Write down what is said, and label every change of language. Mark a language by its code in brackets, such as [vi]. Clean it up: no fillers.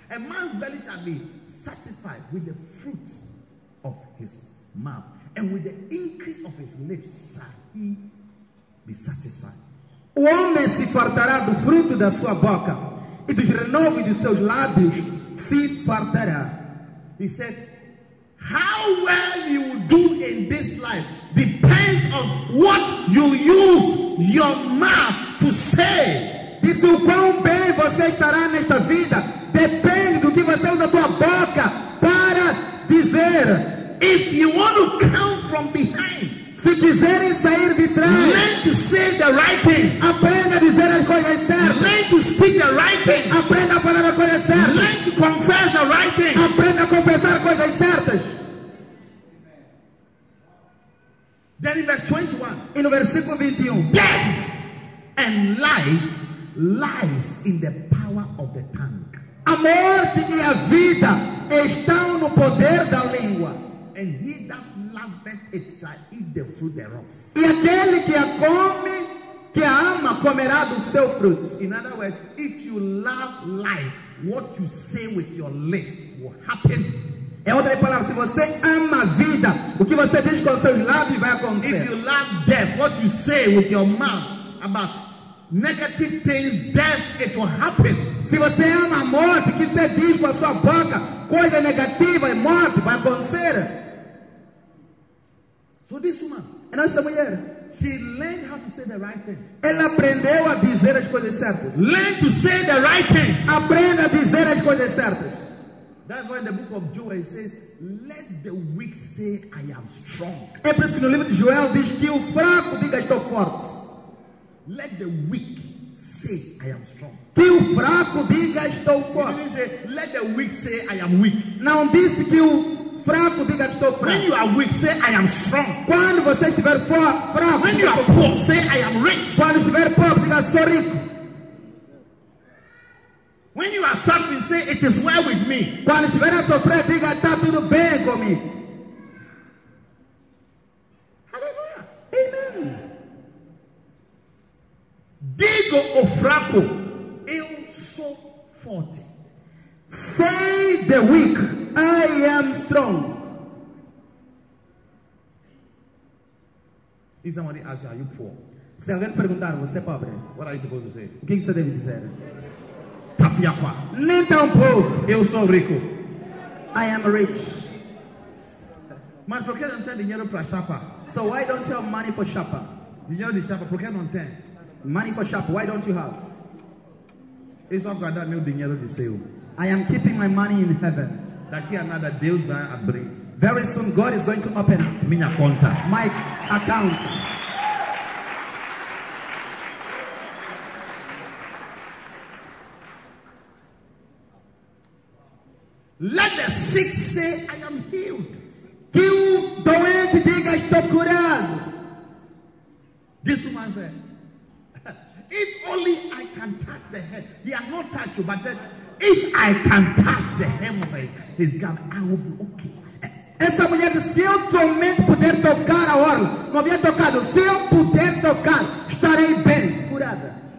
[en] A man's belly shall be satisfied with the fruit of his mouth. And with the increase of his lips shall he be satisfied. [pt] O homem se fartará do fruto da sua boca, e dos renovos dos seus lábios se fartará. [en] He said, how well you do in this life depends on what you use your mouth to say. [pt] Diz o quão bem você estará nesta vida depende do que você usa a tua boca para dizer. [en] If you want to come from behind, [pt] se quiserem sair de trás, [en] learn to say the right thing. [pt] Aprenda a dizer as coisas certas. [en] Learn to speak the right thing. [pt] Aprenda a falar as coisas certas. [en] Learn to confess the right thing. [pt] Aprenda a confessar coisas certas. [en] Then in verse 21, [pt] e no versículo 21, [en] death and life lies in the power of the tongue. [pt] A morte e a vida estão no poder da língua. [en] And he that loveth it shall eat the fruit thereof. [pt] E aquele que a come, que a ama, comerá do seu fruto. [en] In other words, if you love life, what you say with your lips will happen. [pt] É outra palavra, se você ama a vida, o que você diz com seus lábios vai acontecer. [en] If you love death, what you say with your mouth about negative things, death, it will happen. [pt] Se você ama a morte, o que você diz com a sua boca, coisa negativa e morte vai acontecer. [en] So this woman, and [pt] essa mulher, [en] she learned how to say the right thing. [pt] Ela aprendeu a dizer as coisas certas. [en] Learn to say the right thing. [pt] Aprenda a dizer as coisas certas. [en] That's why in the book of Joel it says, let the weak say I am strong. [pt] É por isso que no livro de Joel diz que o fraco diga estou forte. [en] Let the weak say I am strong. [pt] Que o fraco diga estou forte. [en] He didn't say, let the weak say I am weak. [pt] Não disse que o fraco diga estou fraco. [en] When you are weak, say I am strong. [pt] Quando você estiver fraco, [en] when you are poor, say I am rich. [pt] Quando estiver pobre, diga sou rico. [en] When you are suffering, say it is well with me. [pt] Quando estiver a sofrer, diga está tudo bem comigo. Digo o fraco, eu sou forte. [en] Say the weak, I am strong. If somebody asks you, are you poor? [pt] Se alguém perguntar, você é pobre? [en] What are you supposed to say? [pt] O que você deve dizer? Tafiaqua. Nem tão pouco. Eu sou rico. [en] I am rich. [pt] Mas por que não tem dinheiro para chapa? [en] So why don't you have money for chapa? [pt] Dinheiro de chapa, por que não tem? [en] Money for shop, why don't you have? [pt] Isso agora dá meu dinheiro de seu. [en] I am keeping my money in heaven. [pt] Daqui a nada Deus vai abrir. [en] Very soon God is going to open up [pt] minha conta. [en] My account. Let the sick say I am healed. [pt] Que o doente diga estou curado. [en] This woman said, if only I can touch the hem. He has not touched you, but said, if I can touch the hem of his garment, I will be okay. [pt] Essa mulher disse, se eu somente puder tocar a orla, não havia tocado, se eu puder tocar, estarei bem, curada.